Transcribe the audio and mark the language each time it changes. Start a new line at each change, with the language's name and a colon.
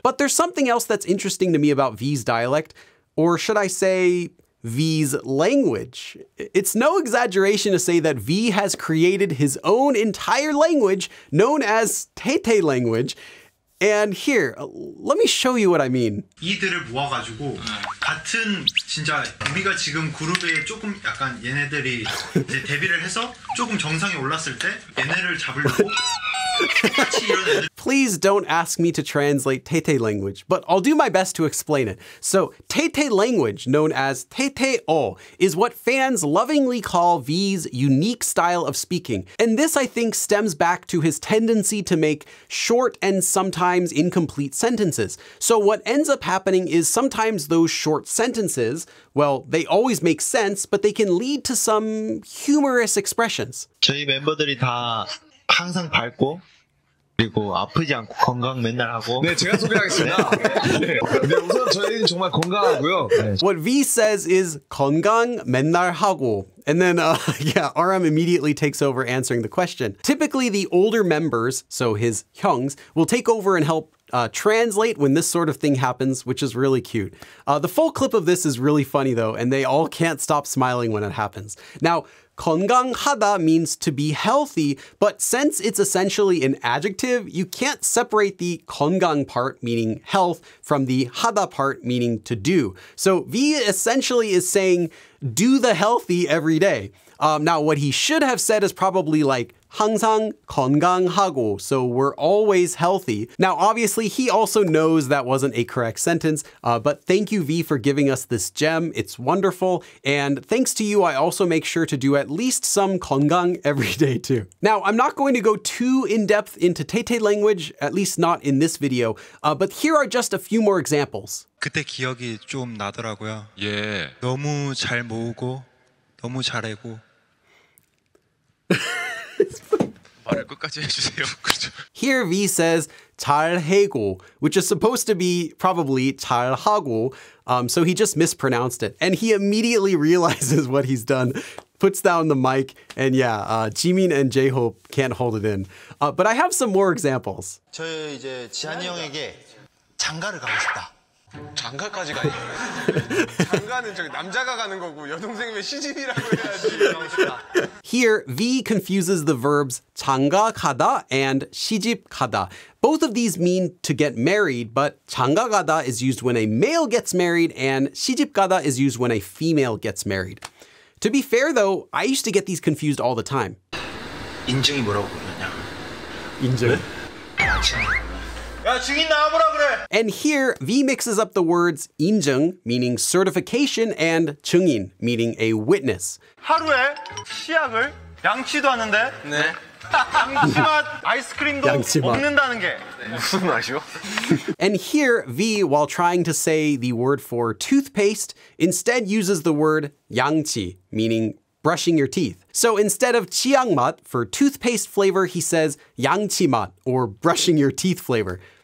English: But there's something else that's interesting to me about V's dialect, or should I say, V's language. It's no exaggeration to say that V has created his own entire language known as Taetae language. And here, let me show you what I mean.
Korean: 이들을 모아가지고 같은 진짜 우리가 지금 그룹에 조금 약간 얘네들이 이제 데뷔를 해서 조금 정상에 올랐을 때 얘네를 잡으려고
English: Please don't ask me to translate Taetae language, but I'll do my best to explain it. So Taetae language, known as Taetae-o, is what fans lovingly call V's unique style of speaking. And this, I think, stems back to his tendency to make short and sometimes incomplete sentences. So what ends up happening is sometimes those short sentences, well, they always make sense, but they can lead to some humorous expressions.
Korean: 저희 멤버들이 다 항상 밝고 그리고 아프지 않고 건강 맨날 하고 네 제가 소개하겠습니다. 네 우선 저희는 정말 건강하고요.
English: What V says is
Korean: 건강 맨날 하고.
English: And then, RM immediately takes over answering the question. Typically, the older members, so his hyungs, will take over and help translate when this sort of thing happens, which is really cute. The full clip of this is really funny, though, and they all can't stop smiling when it happens. Now, 건강하다 means to be healthy, but since it's essentially an adjective, you can't separate the 건강 part, meaning health, from the 하다 part, meaning to do. So V essentially is saying, do the healthy every day. Now, what he should have said is probably like
Korean: 항상 건강하고,
English: so we're always healthy. Now, obviously, he also knows that wasn't a correct sentence, but thank you, V, for giving us this gem. It's wonderful. And thanks to you, I also make sure to do at least some 건강 every day, too. Now, I'm not going to go too in-depth into Taetae language, at least not in this video, but here are just a few more examples.
Korean: 그때 기억이 좀 나더라고요. 예. 너무 잘 모으고, 너무 잘하고.
English: Here V says 잘하고, which is supposed to be probably 잘하고, so he just mispronounced it. And he immediately realizes what he's done, puts down the mic, and yeah, Jimin and J-Hope can't hold it in. But I have some more examples.
Korean: 저 이제 지한이 형에게 장가를 가고 싶다. 장가까지 가요. 장가는 저기 남자가 가는 거고 여동생이면 시집이라고 해야지.
English: He Here, V confuses the verbs 장가 가다 and 시집 가다. Both of these mean to get married, but 장가 가다 is used when a male gets married and 시집 가다 is used when a female gets married. To be fair though, I used to get these confused all the time.
Korean: 인증이 뭐라고 그러냐? 인증? 네? 야, 증인 나와보라 그래.
English: And here, V mixes up the words 인증, meaning certification, and 증인, meaning a witness.
Korean: 하루에 치약을 양치도 하는데 네. 양치맛 아이스크림도 양치맛. 먹는다는 게 무슨 맛이요?
English: And here, V, while trying to say the word for toothpaste, instead uses the word 양치, meaning brushing your teeth. So instead of 치약맛 for toothpaste flavor, he says 양치맛 or brushing your teeth flavor.